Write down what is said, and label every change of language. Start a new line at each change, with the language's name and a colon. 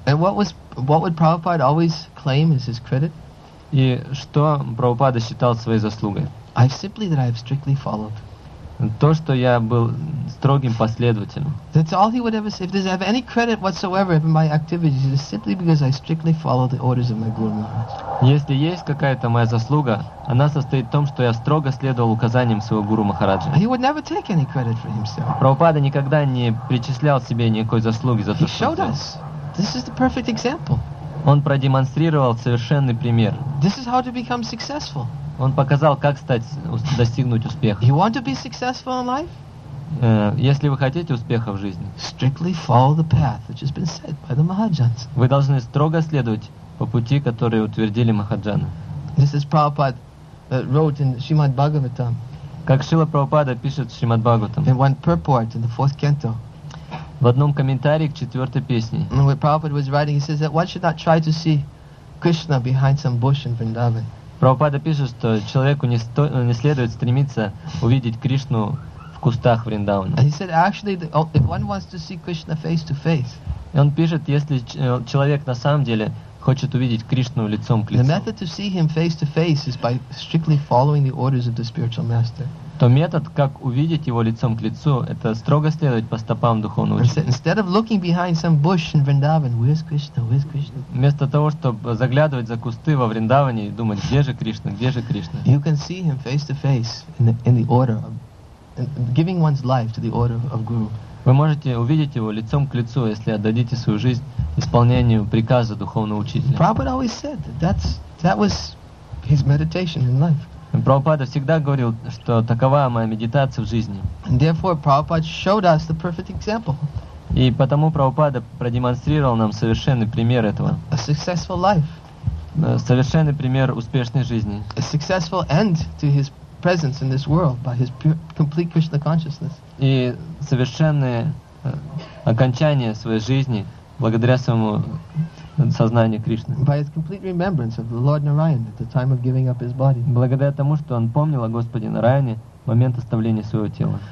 English: And what would Prabhupada always claim as his credit?
Russian: И что Прабхупада считал своей заслугой?
English: I've strictly followed.
Russian: То, что я был строгим последователем.
English: That's all he would ever say. If there's ever any credit whatsoever in my activities, it's simply because I strictly follow the orders of my Guru Maharaj.
Russian: Если есть какая-то моя заслуга, она состоит в том, что я строго следовал указаниям своего Гуру Махараджа.
English: He would never take any credit for himself.
Russian: Прабхупада никогда не причислял себе никакой заслуги за то, что
English: showed us. This is the perfect example.
Russian: Он продемонстрировал совершенный пример.
English: This is how to become successful.
Russian: Он показал, как достигнуть успеха.
English: You want to be successful in life?
Russian: Если вы хотите успеха в жизни,
English: strictly follow the path which has been set by the Mahajans.
Russian: Вы должны строго следовать по пути, который утвердили Махаджаны.
English: This is Prabhupada wrote in Shrimad Bhagavatam.
Russian: Как Шрила Прабхупада пишет в Шримад Бхагаватам.
English: In one purport in the fourth canto.
Russian: В одном комментарии к четвертой песне.
English: When Prabhupada was writing, he says that one should not try to see Krishna behind some bush in Vrindavan.
Russian: Прабхупада пишет, что человеку не следует стремиться увидеть Кришну в кустах Вриндавана.
English: He said, actually, if one wants to see Krishna face to face.
Russian: И он пишет, если человек на самом деле хочет увидеть Кришну лицом к лицу.
English: The method to see him face to face is by strictly following the orders of the spiritual master.
Russian: То метод, как увидеть его лицом к лицу, это строго следовать по стопам духовного учителя.
English: Instead of looking behind some bush in Vrindavan, where's Krishna? Where's Krishna?
Russian: Вместо того, чтобы заглядывать за кусты во Вриндаване и думать, где же Кришна, где же Кришна?
English: You can see him face to face in the order of giving one's life to the order of Guru.
Russian: Вы можете увидеть его лицом к лицу, если отдадите свою жизнь исполнению приказа духовного учителя.
English: Prabhupada always said that that was his meditation in life.
Russian: Прабхупада всегда говорил, что такова моя медитация в жизни.
English: And therefore, Prabhupada showed us the perfect example.
Russian: И потому Прабхупада продемонстрировал нам совершенный пример этого.
English: A successful life.
Russian: Совершенный пример успешной жизни.
English: A successful end to his presence in this world by his complete Krishna consciousness.
Russian: И совершенное окончание своей жизни благодаря своему сознанию Кришны.
English: By his complete remembrance of the Lord Narayan at the time of giving up his body.
Russian: Благодаря тому, что он помнил о Господе Нараяне в момент оставления своего тела.